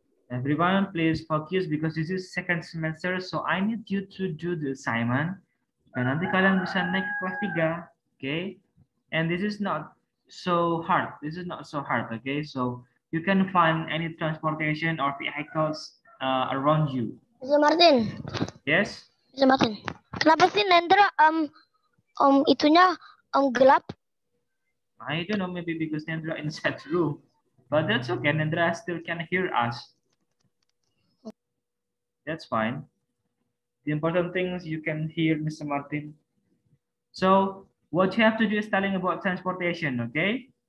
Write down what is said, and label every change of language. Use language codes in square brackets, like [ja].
[en] Everyone please focus because this is second semester. So I need you to do the assignment. Dan nanti kalian bisa naik kelas 3. Okay. And this is not so hard. This is not so hard. Okay. So you can find any transportation or vehicles around you. Mr. Martin. Yes. Mr. Martin. [id] Kenapa sih Nendra itunya gelap? [en] I don't know, maybe because Nendra inside room. But that's okay, Nendra still can hear us. That's fine. The important thing is you can hear Mr. Martin. So what you have to do is telling about transportation, okay?